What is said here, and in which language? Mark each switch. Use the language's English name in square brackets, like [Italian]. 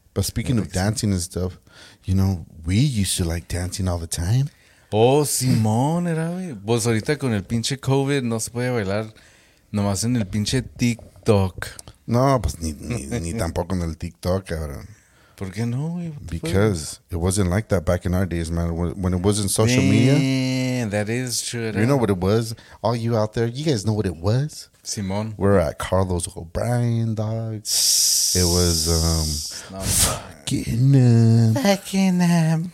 [English] But speaking of dancing and stuff, you know, we used to like dancing all the time. [Spanish] Oh, Simón, era, güey. Pues ahorita con el pinche COVID no se puede bailar nomás en el pinche TikTok. No, pues ni tampoco en el TikTok, cabrón. ¿Por qué no, güey? [English] Because it wasn't like that back in our days, man. When it wasn't social media. Man, that is true. You know what it was? All you out there, you guys know what it was? Simón. We're at Carlos O'Brien, dog. It was, fucking,